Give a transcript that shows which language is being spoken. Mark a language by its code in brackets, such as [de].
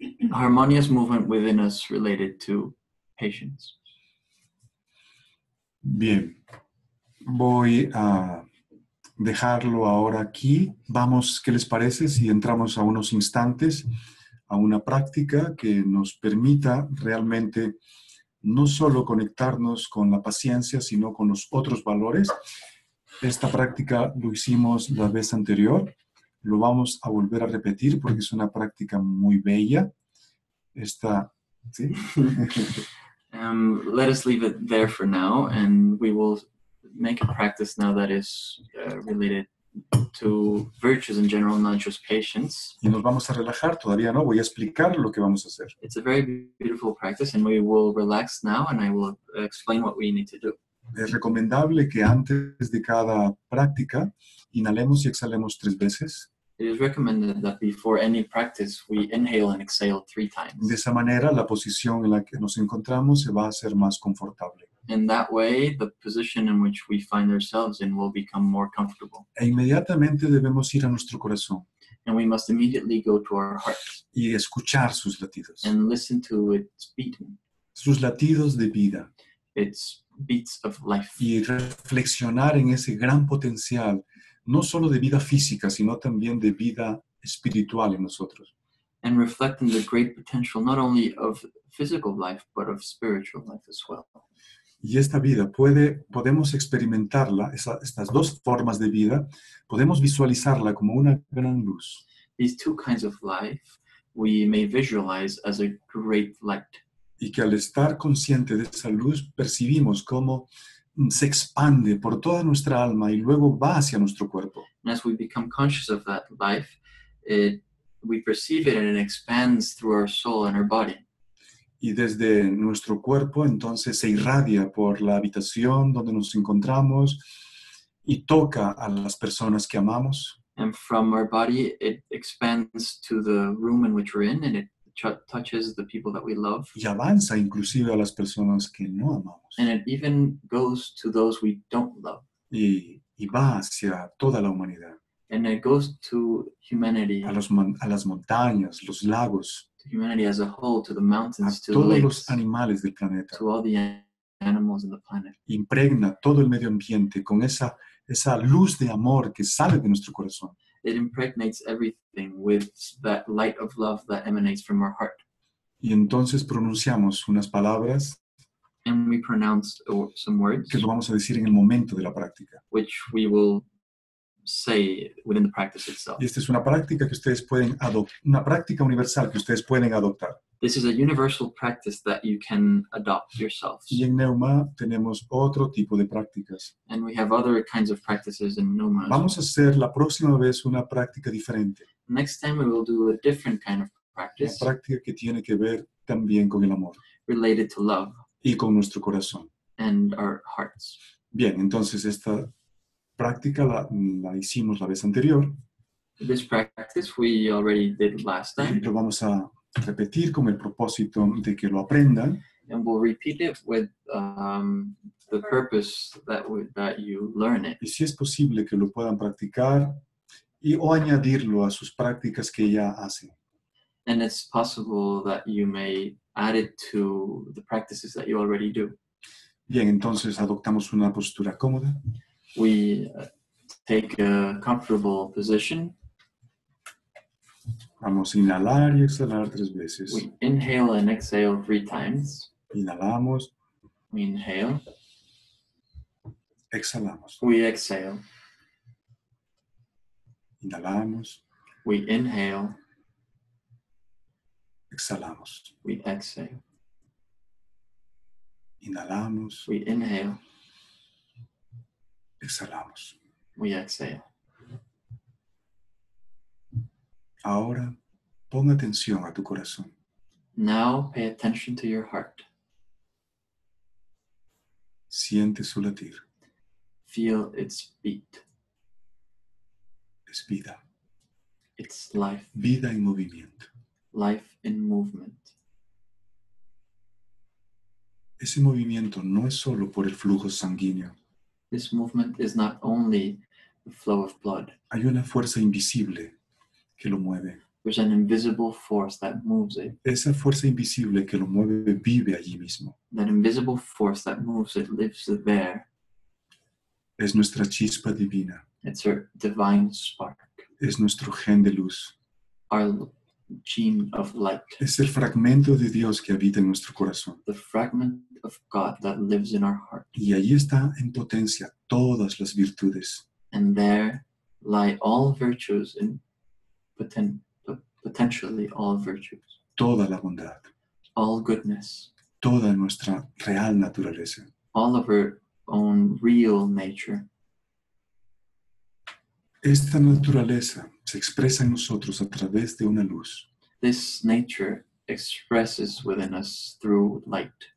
[en] Harmonious movement within us related to patience. [es] Bien, voy a dejarlo ahora aquí. Vamos, ¿qué les parece si entramos a unos instantes a una práctica que nos permita realmente no solo conectarnos con la paciencia, sino con los otros valores? Esta práctica lo hicimos la vez anterior. Lo vamos a volver a repetir porque es una práctica muy bella. Esta, ¿sí? [en] Let us leave it there for now, and we will make a practice now that is related to virtues in general, not just patience. [es] Y nos vamos a relajar todavía, ¿no? Voy a explicar lo que vamos a hacer. [en] It's a very beautiful practice, and we will relax now, and I will explain what we need to do. [es] Es recomendable que antes de cada práctica inhalemos y exhalemos tres veces. [en] It is recommended that before any practice we inhale and exhale three times. [es] De esa manera la posición en la que nos encontramos se va a hacer más confortable. [en] In that way the position in which we find ourselves in will become more comfortable. [es] E inmediatamente debemos ir a nuestro corazón. [en] And we must immediately go to our heart. [es] Y escuchar sus latidos. [en] And listen to its beating. [es] Sus latidos de vida. [en] Its beats of life. [es] Y reflexionar en ese gran potencial, no solo de vida física, sino también de vida espiritual en nosotros. [en] And reflect in the great potential, not only of physical life, but of spiritual life as well. [es] Y esta vida, podemos experimentarla, estas dos formas de vida, podemos visualizarla como una gran luz. [en] These two kinds of life, we may visualize as a great light. [es] Y que al estar consciente de esa luz, percibimos cómo se expande por toda nuestra alma y luego va hacia nuestro cuerpo. [en] And as we become conscious of that life, we perceive it and it expands through our soul and our body. [es] Y desde nuestro cuerpo, entonces, se irradia por la habitación donde nos encontramos y toca a las personas que amamos. [en] And from our body, it expands to the room in which we're in and it touches the people that we love. [es] Y avanza inclusive a las personas que no amamos. [en] And it even goes to those we don't love. [es] Y va hacia toda la humanidad. [en] And it goes to humanity. [es] A las montañas, los lagos. [en] To humanity as a whole, to the mountains, to the lakes. [es] A todos los animales del planeta. [en] To all the animals in the planet. [es] Impregna todo el medio ambiente con esa luz de amor que sale de nuestro corazón. [en] It impregnates everything with that light of love that emanates from our heart. [es] Y entonces pronunciamos unas palabras. [en] And we pronounce some words. [es] Que lo vamos a decir en el momento de la práctica. [en] Which we will say within the practice itself. [es] Y esta es una práctica que ustedes pueden adoptar. Una práctica universal que ustedes pueden adoptar. [en] This is a universal practice that you can adopt yourselves. [es] Y en Neuma tenemos otro tipo de prácticas. [en] And we have other kinds of practices in Neuma. [es] Vamos a hacer la próxima vez una práctica diferente. [en] Next time we will do a different kind of practice. [es] Una práctica que tiene que ver también con el amor. [en] Related to love. [es] Y con nuestro corazón. [en] And our hearts. [es] Bien, entonces esta práctica la hicimos la vez anterior. [en] This practice we already did last time. [es] Lo vamos a repetir con el propósito de que lo aprendan. [en] And we'll repeat it with the purpose that you learn it. [es] Y si es posible que lo puedan practicar y o añadirlo a sus prácticas que ya hacen. [en] And it's possible that you may add it to the practices that you already do. [es] Bien, entonces adoptamos una postura cómoda. [en] We take a comfortable position. [es] Vamos a inhalar y exhalar tres veces. [en] We inhale and exhale three times. [es] Inhalamos. [en] We inhale. [es] Exhalamos. [en] We exhale. [es] Inhalamos. [en] We inhale. [es] Exhalamos. [en] We exhale. [es] Inhalamos. [en] We inhale. [es] Exhalamos. [en] We exhale. [es] Ahora, pon atención a tu corazón. [en] Now, pay attention to your heart. [es] Siente su latir. [en] Feel its beat. [es] Es vida. [en] It's life. [es] Vida en movimiento. [en] Life in movement. [es] Ese movimiento no es solo por el flujo sanguíneo. [en] This movement is not only the flow of blood. [es] Hay una fuerza invisible que lo mueve. [en] There's an invisible force that moves it. [es] Esa fuerza invisible que lo mueve vive allí mismo. [en] That invisible force that moves it lives there. [es] Es nuestra chispa divina. [en] It's our divine spark. [es] Es nuestro gen de luz. [en] Our gene of light. [es] Es el fragmento de Dios que habita en nuestro corazón. [en] The fragment of God that lives in our heart. [es] Y allí está en potencia todas las virtudes. [en] And there lie all virtues in potentially all virtues. [es] Toda la bondad. [en] All goodness. [es] Toda nuestra real naturaleza. [en] All of our own real nature. [es] Esta naturaleza se expresa en nosotros a través de una luz. [en] This nature expresses within us through light.